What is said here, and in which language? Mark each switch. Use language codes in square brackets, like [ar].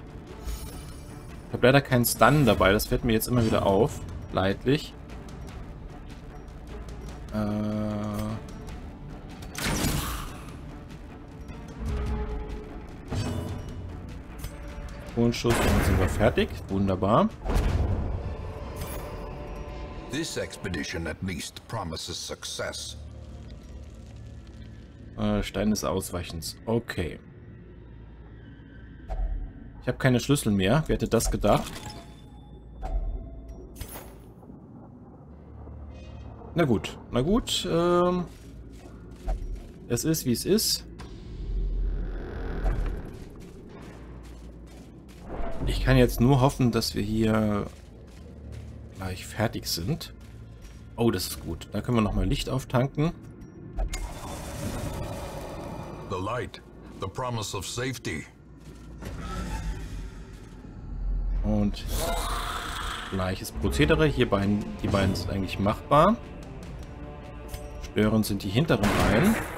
[de] Ich habe leider keinen Stun dabei. Das fällt mir jetzt immer wieder auf. Leidlich. Schuss und sind wir fertig. Wunderbar. [en] This expedition at least promises success. [de] Stein des Ausweichens. Okay. Ich habe keine Schlüssel mehr. Wer hätte das gedacht? Na gut. Na gut. Es ist, wie es ist. Ich kann jetzt nur hoffen, dass wir hier gleich fertig sind. Oh, das ist gut. Da können wir nochmal Licht auftanken. [en] The light, the promise of safety. [de] Und gleiches Prozedere. Die beiden sind eigentlich machbar. Störend sind die hinteren Reihen.